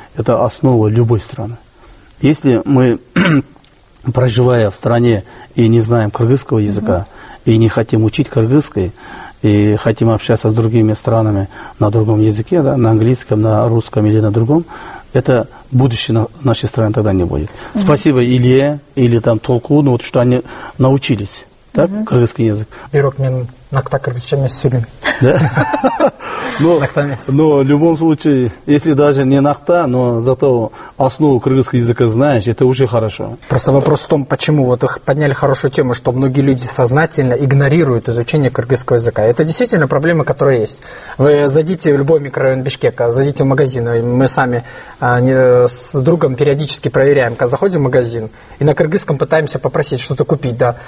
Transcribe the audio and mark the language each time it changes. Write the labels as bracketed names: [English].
[Russian] Это основа любой страны. Если мы... проживая в стране и не знаем кыргызского языка, и не хотим учить кыргызский, и хотим общаться с другими странами на другом языке, да, на английском, на русском или на другом, это будущее нашей страны тогда не будет. Спасибо Илье или там Толкуну, ну, вот, что они научились, так, кыргызский язык. [Kyrgyz] Бирок мен накта кыргызчами сүйлөйм. [Russian] Да? Но в любом случае, если даже не нахта, но зато основу кыргызского языка знаешь, это уже хорошо. Просто вопрос в том, почему вот их подняли хорошую тему, что многие люди сознательно игнорируют изучение кыргызского языка. Это действительно проблема, которая есть. Вы зайдите в любой микрорайон Бишкека, зайдите в магазин, мы сами с другом периодически проверяем, когда заходим в магазин, и на кыргызском пытаемся попросить что-то купить, да.